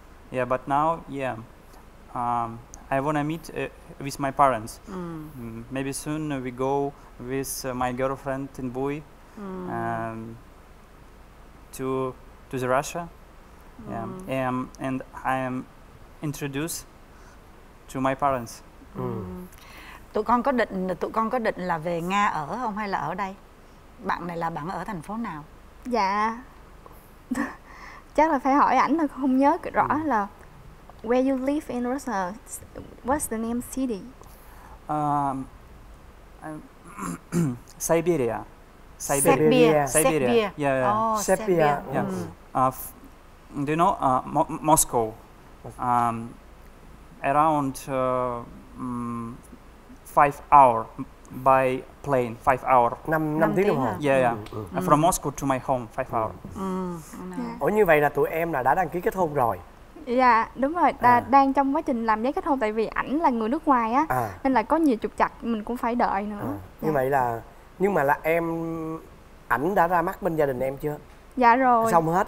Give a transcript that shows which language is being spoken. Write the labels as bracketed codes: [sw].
[en] Yeah, but now, I want to meet with my parents. Maybe soon we go with my girlfriend in Bui to the Russia. Yeah, and I am introduced to my parents. [vi] Tụi con có định là về Nga ở không hay là ở đây? Bạn này là bạn ở thành phố nào? Dạ, chắc là phải hỏi ảnh thôi, không nhớ rõ là [en] where you live in Russia, what's the name city? Siberia. Siberia. Yeah, yeah. Oh, Siberia. Yeah. Do you know Moscow? Around 5 hours by plane, 5 hours. [vi] Năm tiếng đồng hồ. [en] Yeah, yeah. From Moscow to my home, 5 hours. [vi] Ủa như vậy là tụi em là đã đăng ký kết hôn rồi. Dạ, đúng rồi, đang trong quá trình làm giấy kết hôn, tại vì ảnh là người nước ngoài á, nên là có nhiều trục trặc mình cũng phải đợi nữa. Như vậy là, nhưng mà là em, ảnh đã ra mắt bên gia đình em chưa? Dạ rồi. Xong hết,